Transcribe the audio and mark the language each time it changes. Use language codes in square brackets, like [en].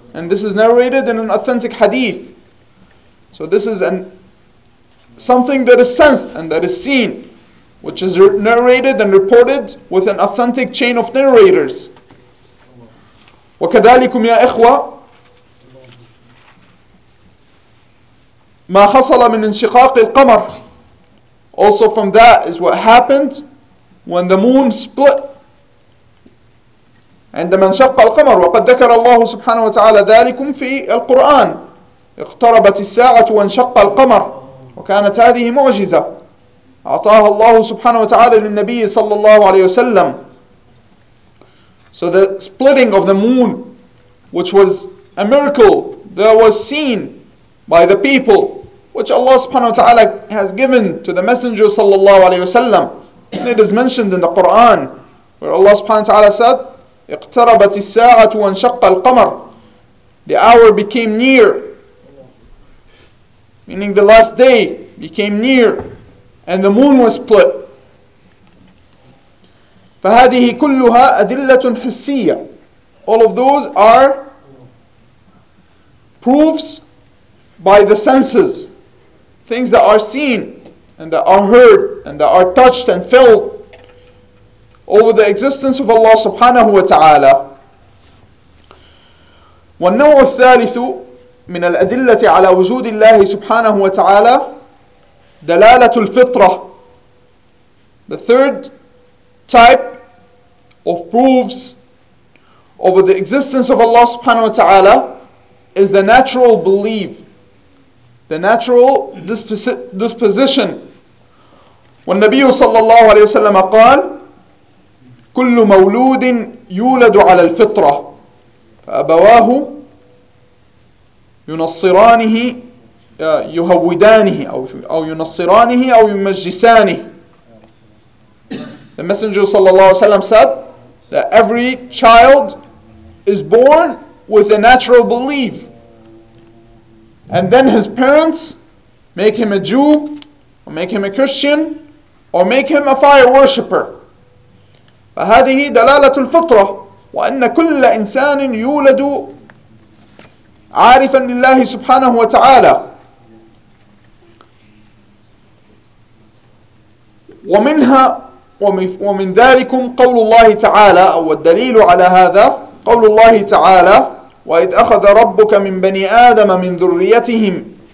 [en] And this is narrated in an authentic hadith. So this is something that is sensed and that is seen, which is narrated and reported with an authentic chain of narrators. [ar] وكذلكم يا إخوة ما حصل من انشقاق القمر. [en] Also from that is what happened when the moon split. [ar] عندما انشق القمر وقد ذكر الله سبحانه وتعالى ذلكم في القرآن. اقتربت الساعة وانشق القمر وكانت هذه معجزة أعطاها الله سبحانه وتعالى للنبي صلى الله عليه وسلم. [en] So the splitting of the moon, which was a miracle that was seen by the people, which Allah subhanahu wa ta'ala has given to the Messenger sallallahu alayhi wa sallam. And it is mentioned in the Quran, where Allah subhanahu wa ta'ala said, [ar] اِقْتَرَبَتِ السَّاعَةُ وَانْشَقَّ الْقَمَرِ. [en] The hour became near, meaning the last day became near, and the moon was split. [ar] فهذه كلها أدلة حسية. [en] All of those are proofs by the senses, things that are seen and that are heard and that are touched and felt over the existence of Allah subhanahu wa ta'ala. [ar] والنوع الثالث من الأدلة على وجود الله سبحانه وتعالى دلالة الفطرة. [en] The third type of proofs over the existence of Allah subhanahu wa ta'ala is the natural belief, the natural disposition. [ar] والنبي صلى الله عليه وسلم قال كل مولود يولد على الفطرة فأبواه ينصرانه يهودانه أو ينصرانه أو يمجسانه. [en] The Messenger [ar] صلى الله عليه وسلم [en] said that every child is born with a natural belief. And then his parents make him a Jew, or make him a Christian, or make him a fire worshipper. [ar] فهذه دلالة الفطرة وأن كل إنسان يولد عارفا لله سبحانه وتعالى. ومنها ومن ذلك قول الله تعالى أو الدليل على هذا قول الله تعالى وإذ أخذ ربك من بني آدم من ذريتهم